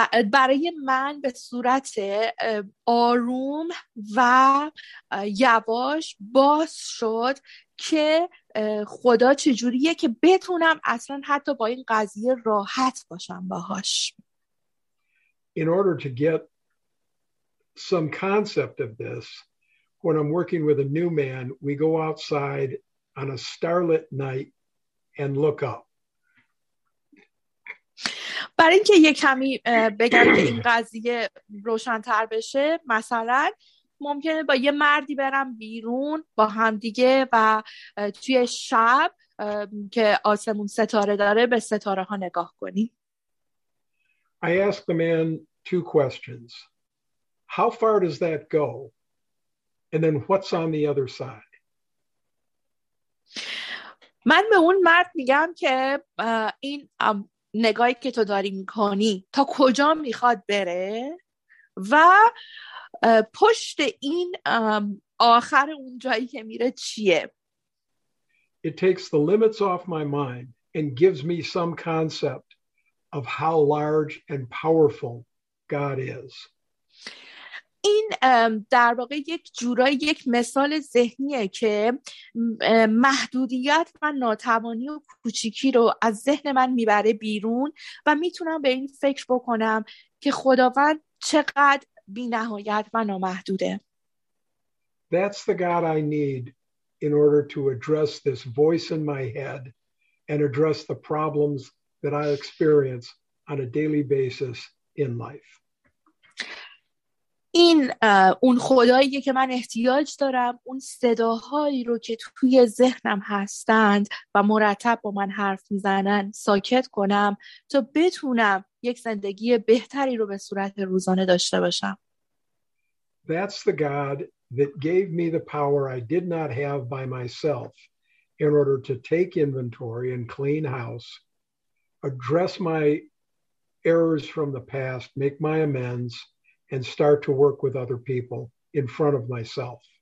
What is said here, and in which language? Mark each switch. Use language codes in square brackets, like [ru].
[fa] برای من به صورت آروم و یواش باز شد که خدا چجوریه که بتونم اصلا حتی با این قضیه راحت باشم باهاش. [en] In order to get some concept of this, when I'm working with a new man, we go outside on a starlit night and look up. [fa] برای اینکه یه کمی بگم که این قضیه روشن‌تر بشه، مثلا ممکنه با یه مردی برم بیرون با همدیگه و توی شب که آسمون ستاره داره به ستاره ها نگاه کنیم. [en] I asked the man two questions. How far does that go? And then what's on the other side? [fa] من به اون مرد میگم که این نگاهی که تو داری میکنی تا کجا میخواد بره و پشت این آخر اون جایی که میره چیه. [en] It takes the limits off my mind and gives me some concept of how large and powerful God is. [fa] این در واقع یک جورای یک مثال ذهنیه که محدودیت و ناتوانی و کوچیکی رو از ذهن من میبره بیرون و میتونم به این فکر بکنم که خداوند چقدر بی نهایت و نامحدوده. [en] That's the God I need in order to address this voice in my head and address the problems that I experience on a daily basis in life. [fa] این اون خداییه که من احتیاج دارم، اون صداهایی رو که توی ذهنم هستند و مرتب با من حرف میزنن ساکت کنم تا بتونم یک زندگی بهتری رو به صورت روزانه داشته باشم. [en] That's the God that gave me the power I did not have by myself in order to take inventory and clean house, address my errors from the past, make my amends, and start to work with other people in front of myself.